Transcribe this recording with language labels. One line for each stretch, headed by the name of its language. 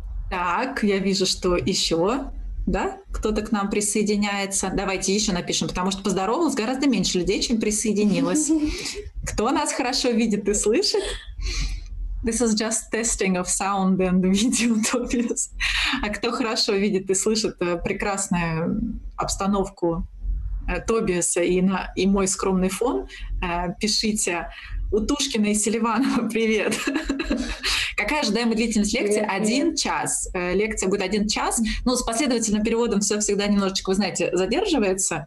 Russian: Так, я вижу, что еще... Да, кто-то к нам присоединяется. Давайте еще напишем, потому что поздоровалось гораздо меньше людей, чем присоединилось. Кто нас хорошо видит и слышит?
English: This is just testing of sound and video, Tobias.
Russian: А кто хорошо видит и слышит прекрасную обстановку Тобиаса и мой скромный фон, пишите. У Тушкина и Селиванова привет. Какая ожидаемая длительность лекции? Привет, один привет. Час. Лекция будет один час. Ну, с последовательным переводом все всегда немножечко, вы знаете, задерживается.